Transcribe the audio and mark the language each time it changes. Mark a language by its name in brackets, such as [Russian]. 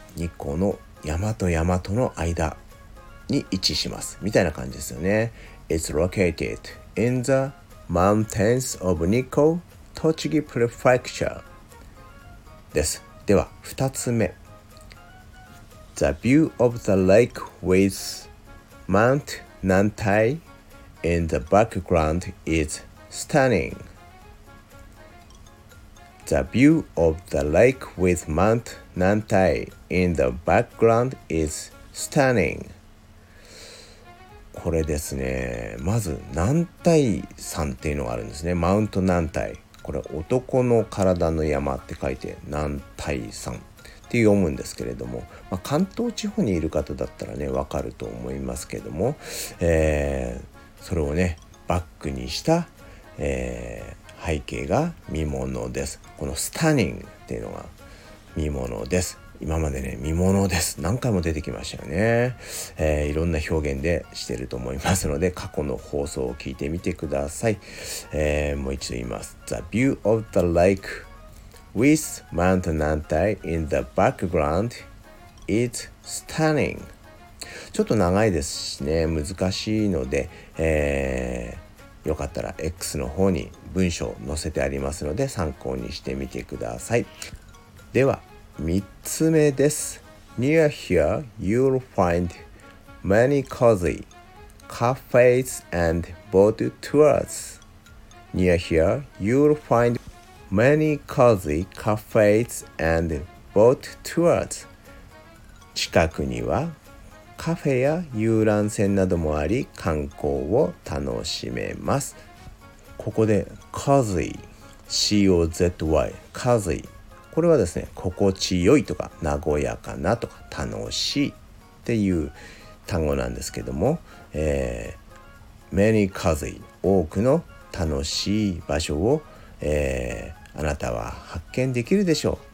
[Japanese] 日光の山と山との間に位置しますみたいな感じですよね。 [English] It's located in theMountains of Nikko, Tochigi Prefecture [Japanese] です。では2つ目。 [English] The view of the lake with Mount Nantai in the background is stunning. The view of the lake with Mount Nantai in the background is stunning. [Japanese] これですね、まず南泰山っていうのがあるんですね。マウント南泰、これ男の体の山って書いて南泰山って読むんですけれども、まあ、関東地方にいる方だったらね、わかると思いますけども、それをねバックにした、背景が見ものです。このスタニングっていうのが見ものです。今までね、見物です、何回も出てきましたよね。いろんな表現でしてると思いますので、過去の放送を聞いてみてください。もう一度言います。 [English] The view of the lake with Mount Nantai in the background is stunning. [Japanese] ちょっと長いですしね、難しいので、よかったら X の方に文章を載せてありますので参考にしてみてください。では3つ目です。 [English] Near here you'll find many cozy cafes and boat tours. Near here you'll find many cozy cafes and boat tours. [Japanese] 近くにはカフェや遊覧船などもあり、観光を楽しめます。ここで cozy、C-O-Z-Y、cozy。これはですね、心地よいとか、和やかなとか、楽しいっていう単語なんですけども、many cozy、多くの楽しい場所を、あなたは発見できるでしょう。